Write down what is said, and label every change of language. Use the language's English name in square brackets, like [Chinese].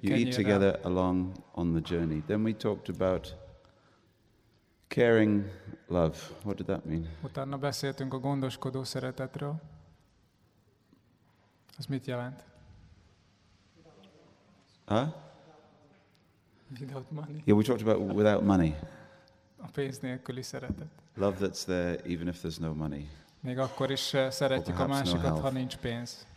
[English] you eat together along on the journey. Then we talked about caring love. What did that mean? [Hungarian] Utána beszéltünk a gondoskodó szeretetről. Az mit jelent? Huh? [English] Without money. Yeah, we talked about without money. [Hungarian] A pénz nélküli szeretet. [English] Love that's there even if there's no money. [Hungarian] Még akkor is szeretjük a másikat, ha nincs pénz.